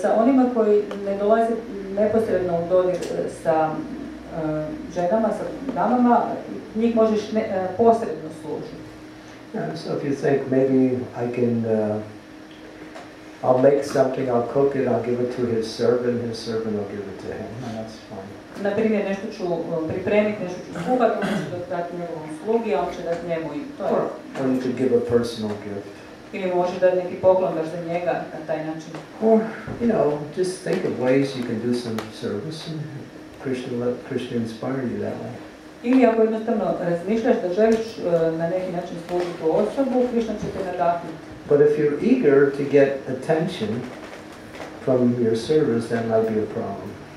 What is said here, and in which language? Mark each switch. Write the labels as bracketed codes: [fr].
[hr] Sa onima koji ne dolaze neposredno u dodir sa ženama, sa damama, njih možeš posredno služiti. [en] So if you think maybe I can, I'll make something, I'll cook it, I'll give it to his servant will give it to him, and that's fine. [hr] Na primjer, nešto ću pripremiti, nešto ću kuhati, nešto ću dati njegovom slugi, a on će dati njemu i to je. [en] Or you could give a personal gift. [hr] Ili može dati neki poklon baš za njega na taj način. [en] Or, you know, just think of ways you can do some service and Krishna let Krishna inspire you that way. [hr] Ili ako jednostavno razmišljaš da želiš na neki način služiti tu osobu, Krishna će te nadahnuti. [en] But if you're eager to get attention from your service, that might be a problem.